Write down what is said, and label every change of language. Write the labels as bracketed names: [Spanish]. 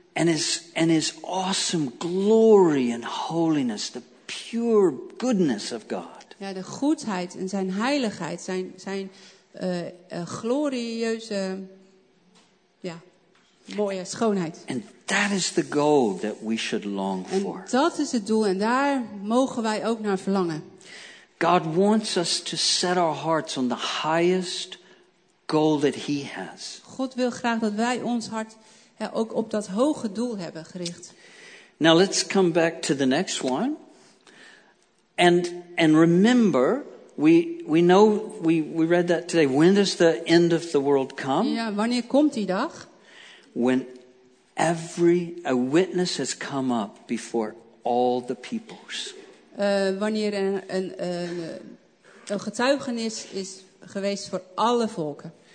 [English] And his awesome glory and holiness, the pure goodness of God. [Dutch] Ja, de goedheid en zijn heiligheid, zijn glorieuze, ja, mooie schoonheid. [English] And that is the goal that we should long for. [Dutch] En dat is het doel en daar mogen wij ook naar verlangen. [English] God wants us to set our hearts on the highest goal that he has. [Dutch] God wil graag dat wij ons hart ook op dat hoge doel hebben gericht. [English] Now let's come back to the next one. And remember, we read that today. When does the end of the world come? [Dutch] Ja, wanneer komt die dag? [English] When a witness has come up before all the peoples. [Dutch] Wanneer een getuigenis is geweest voor alle volken.